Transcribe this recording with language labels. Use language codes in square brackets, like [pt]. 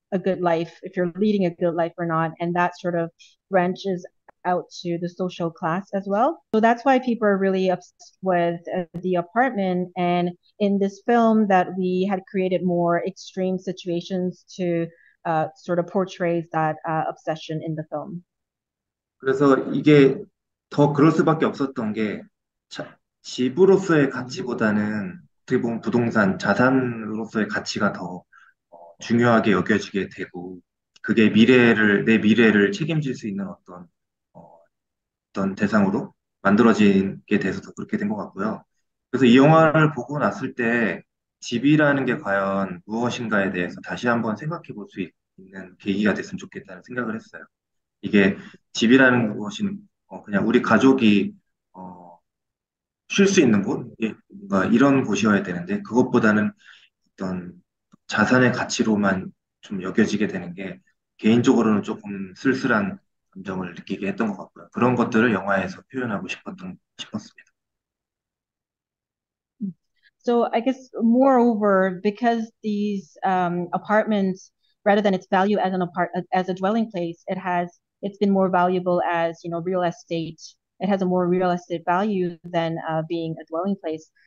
[en] a good life, if you're leading a good life or not, and that sort of branches out to the social class as well. So that's why people are really obsessed with the apartment. And in this film, that we had created more extreme situations to sort of portrays that obsession in the film. [ko] 그래서 이게 더 그럴 수밖에 없었던 게 집으로서의 가치보다는 어떻게 보면 부동산 자산으로서의 가치가 더 중요하게 여겨지게 되고 그게 미래를 내 미래를 책임질 수 있는 어떤 어떤 대상으로 만들어진 게 돼서 그렇게 된 것 같고요. 그래서 이 영화를 보고 났을 때 집이라는 게 과연 무엇인가에 대해서 다시 한번 생각해 볼 수 있는 계기가 됐으면 좋겠다는 생각을 했어요. 이게 집이라는 것이 그냥 우리 가족이 쉴 수 있는 곳, 뭔가 이런 곳이어야 되는데 그것보다는 어떤 자산의 가치로만 좀 여겨지게 되는 게 개인적으로는 조금 쓸쓸한 감정을 느끼게 했던 것 같고요. 그런 것들을 영화에서 표현하고 싶었습니다. [en] So I guess moreover, because these apartments, rather than its value as an as a dwelling place, it's been more valuable as, you know, real estate. It has a more real estate value than being a dwelling place.